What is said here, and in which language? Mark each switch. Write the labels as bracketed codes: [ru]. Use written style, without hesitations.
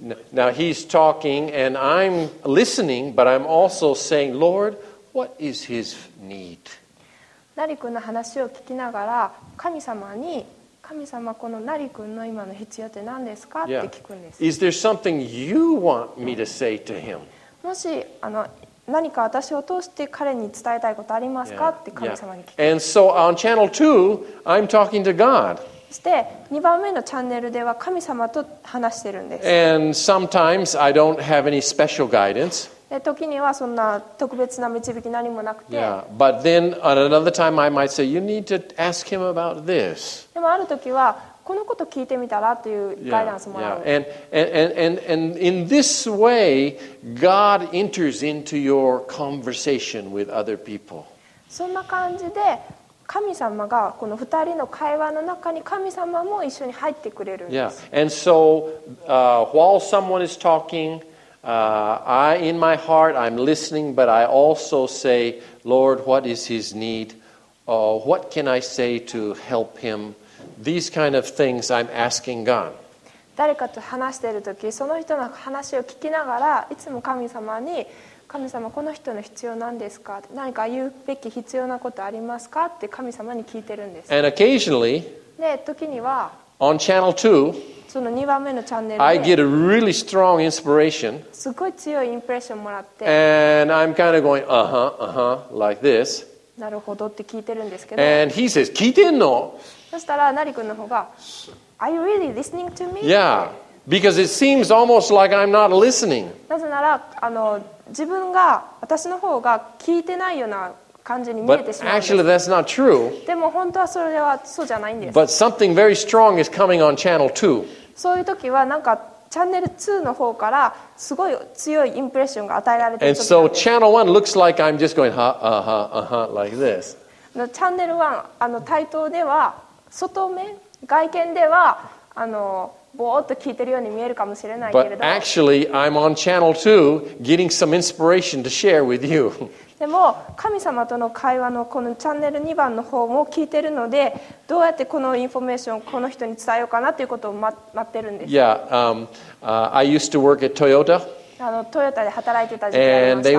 [en] Now he's talking and I'm listening, but I'm also saying, Lord, what is his need? [ja] ナリ君の話を聞きながら神様に、神様このナリ君の今の必要って何ですかって聞くんです。 [en] Yeah. Is there something you want me to say to him? [ja] もし何か私を通して彼に伝えたいことありますか、yeah. って神様に聞く。 [en] Yeah. And so on channel two, I'm talking to God. [ja] そして2番目のチャンネルでは神様と話してるんです。 [en] And sometimes I don't have any special guidance. [ja] で時にはそんな特別な導き何もなくて、 [en] yeah, but then at another time I might say you need to ask him about this. [ja] でもある時はこのこと聞いてみたらというガイダンスもある。 [en] Yeah, yeah. And in this way God enters into your conversation with other people. [ja] そんな感じで神様がこの二人の会話の中に神様も一緒に入ってくれるんです。 [en] Yeah, and so while someone is talking. I in my heart I'm listening, but I also say, Lord, what is his need? What can I say to help him? These kind of things I'm asking God. [ja] 誰かと話しているとき、その人の話を聞きながら、いつも神様に、神様この人の必要なんですか？何か言うべき必要なことありますか？って神様に聞いてるんです。 [en] And occasionally, [ja] で時には、 [en] on channel two. [ja] その2番目のチャンネルで [en] I get a really strong inspiration. [ja] すごい強いインプレッションもらって [en] And I'm kind of going, like this. [ja] なるほどって聞いてるんですけど [en] And he says, [ja] 聞いてんの？そしたら、ナリ君の方が [en] Are you really listening to me? Yeah, because it seems almost like I'm not listening. [ja] なぜなら、自分が、私の方が聞いてないような感じに見えてしまうんです。 [en] But actually that's not true. [ja] でも本当はそれはそうじゃないんです。 [en] But something very strong is coming on channel two. [ja] そういう時はなんかチャンネル2の方からすごい強いインプレッションが与えられてる。 [en] And so channel one looks like I'm just going like this. [ja] チャンネル1、タイトルでは外見、外見では [en] But actually, I'm on channel 2 getting some inspiration to share with you. [ja] でも神様との会話のこのチャンネル2番の方も聞いてるのでどうやってこのインフォメーションをこの人に伝えようかなということを待ってるんです。 [en] I used to work at Toyota. [ja] トヨタで働いてた時期がありました